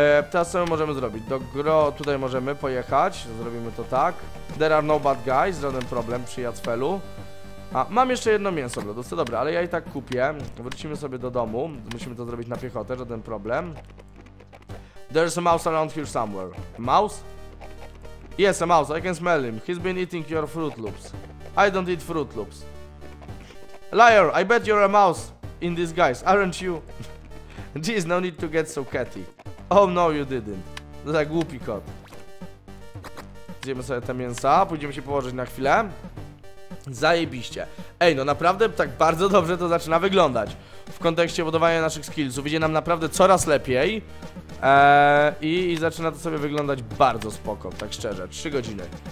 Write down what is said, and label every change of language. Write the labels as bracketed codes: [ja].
[pl] Teraz co my możemy zrobić? Do gro tutaj możemy pojechać. Zrobimy to tak. [en] There are no bad guys. [pl] Żaden problem przy Jacfelu. A, mam jeszcze jedno mięso w lodówce. Dobra, ale ja i tak kupię. Wrócimy sobie do domu. Musimy to zrobić na piechotę. Żaden problem. [en] There's a mouse around here somewhere. Mouse? Yes, a mouse. I can smell him. He's been eating your Fruit Loops. I don't eat Fruit Loops. Liar, I bet you're a mouse in disguise, aren't you? Jeez, no need to get so catty. Oh no, you didn't. [pl] To jest jak głupi kot. Zjemy sobie te mięsa, pójdziemy się położyć na chwilę. Zajebiście. Ej, no naprawdę tak bardzo dobrze to zaczyna wyglądać. W kontekście budowania naszych skillsów idzie nam naprawdę coraz lepiej. I zaczyna to sobie wyglądać bardzo spoko, tak szczerze. 3 godziny.